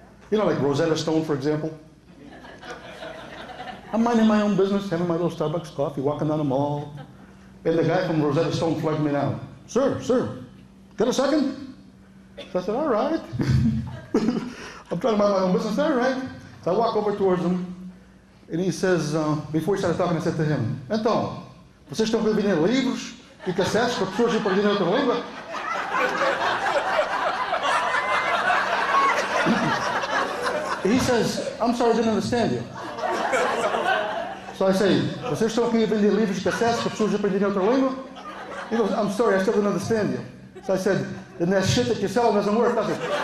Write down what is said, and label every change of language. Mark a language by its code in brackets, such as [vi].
[en] You know, like Rosetta Stone, for example. I'm minding my own business, having my little Starbucks coffee, walking down the mall. And the guy from Rosetta Stone flagged me down. Sir, sir, got a second? So I said, all right. I'm trying to mind my own business, all right. So I walk over towards him, and he says, before he started talking, I said to him, [pt] então, vocês estão vendendo livros e cassetes para pessoas que perderam outra língua? [en] He says, I'm sorry, I didn't understand you. So I say, [pt] vocês estão aqui vendendo livros e cassetes para pessoas que perderam outra língua? [en] He goes, I'm sorry, I still don't understand you. So I said, then that shit that you sell doesn't work, does it?